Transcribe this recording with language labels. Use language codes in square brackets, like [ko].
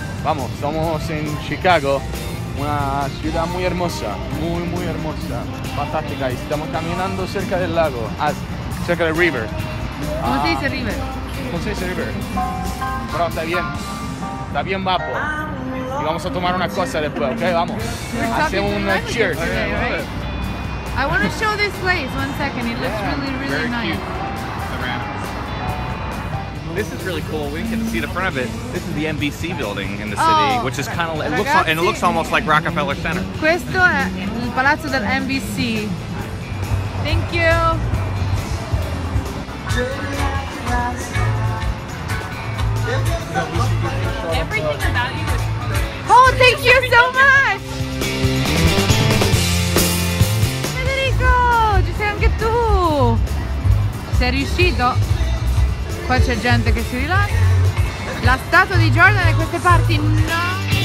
[es] Vamos, estamos en Chicago, una ciudad muy hermosa, muy muy hermosa, fantástica, y estamos caminando cerca del lago, cerca del river. ¿Cómo se dice river? ¿Cómo se dice river? Pero está bien guapo, y vamos a tomar una cosa después, ¿ok? Vamos, hacemos un cheers. [en] Okay, right. I want to show this place, one second, it looks really really very nice. This is really cool. We can see the front of it. This is the NBC building in the city, which is kind of it looks almost like Rockefeller Center. [it] Questo è il palazzo del NBC. [en] Thank you. Everything about you. Oh, thank you so much. [it] Federico, ci sei anche tu. Sei riuscito? Qua c'è gente che si rilassa. La statua di Jordan è queste parti, no!